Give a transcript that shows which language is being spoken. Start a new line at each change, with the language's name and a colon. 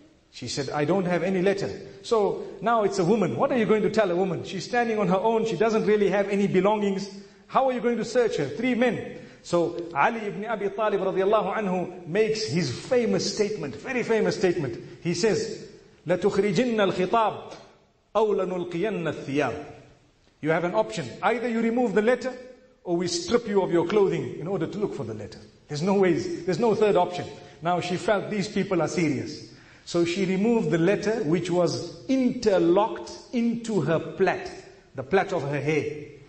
English: She said, "I don't have any letter." So now it's a woman. What are you going to tell a woman? She's standing on her own, she doesn't really have any belongings. How are you going to search her? Three men. So Ali ibn Abi Talib radiallahu anhu makes his famous statement, very famous statement. He says,
Arabic: لَتُخْرِجِنَّ الْخِطَابِ أَوْ لَنُلْقِيَنَّ الثِّيَابِ.
English: You have an option. Either you remove the letter, or we strip you of your clothing in order to look for the letter. There's no ways, there's no third option. Now she felt these people are serious. So she removed the letter, which was interlocked into her plait, the plait of her hair.